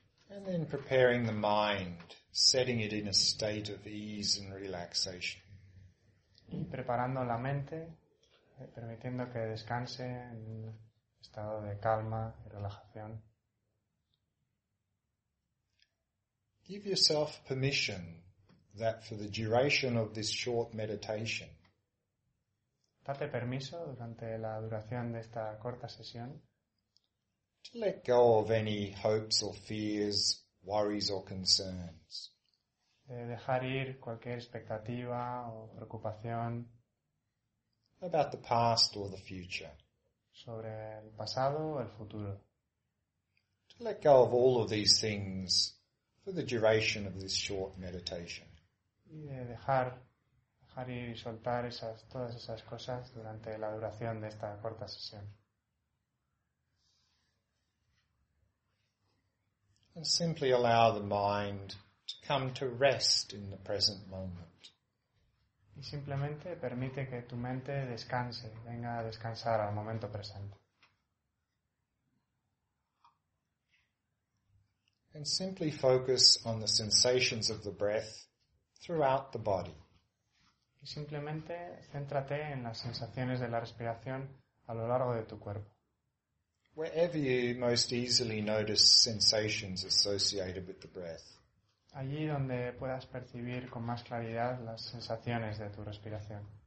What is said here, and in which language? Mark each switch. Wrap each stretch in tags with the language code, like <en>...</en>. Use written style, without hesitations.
<en>And then preparing the mind setting it in a state of ease and relaxation.</en> <es>Y preparando la mente, permitiendo que descanse en un estado de calma y relajación.</es> <en>Give yourself permission that for the duration of this short meditation,</en> <es>date permiso durante la duración de esta corta sesión,</es> <en>to let go of any hopes or fears, worries or concerns.</en> <es>De dejar ir cualquier expectativa o preocupación</es> <en>about the past or the future.</en> <es>Sobre el pasado o el futuro.</es> <en>To let go of all of these things for the duration of this short meditation.</en> <es>Y de dejar ir y soltar todas esas cosas durante la duración de esta corta sesión.</es> <en>And simply allow the mind to come to rest in the present moment.</en> <es>Y simplemente permite que tu mente descanse, venga a descansar al momento presente.</es> <en>And simply focus on the sensations of the breath throughout the body.</en> <es>Y simplemente céntrate en las sensaciones de la respiración a lo largo de tu cuerpo.</es> <en>Wherever you most easily notice sensations associated with the breath.</en> <es>Allí donde puedas percibir con más claridad las sensaciones de tu respiración.</es>